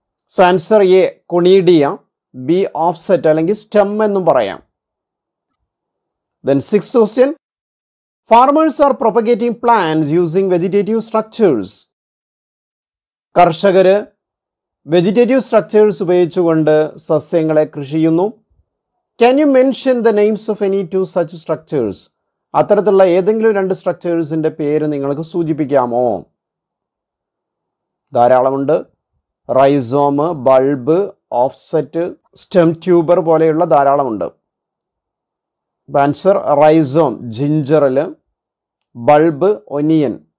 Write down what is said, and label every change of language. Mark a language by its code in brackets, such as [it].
[en] so answer a conidia, b offset [ml] അല്ലെങ്കിൽ [en] stem [ml] എന്നും പറയാം. [en] Then sixth question, farmers are propagating plants using vegetative structures. [ml] കർഷകർ vegetative structures ഉപയോഗിച്ചുകൊണ്ട് സസ്യങ്ങളെ കൃഷി ചെയ്യുന്നു. [en] Can you mention the names of any two such structures? [ml] അത്തരത്തിലുള്ള ഏതെങ്കിലും രണ്ട് സ്ട്രക്ചേഴ്സിൻ്റെ പേര് നിങ്ങൾക്ക് സൂചിപ്പിക്കാമോ? ധാരാളമുണ്ട്. Rhizome, bulb, offset, stem tuber പോലെയുള്ള ധാരാളമുണ്ട്. [en] Answer rhizome, ജിഞ്ചറിൽ. Bulb, onion.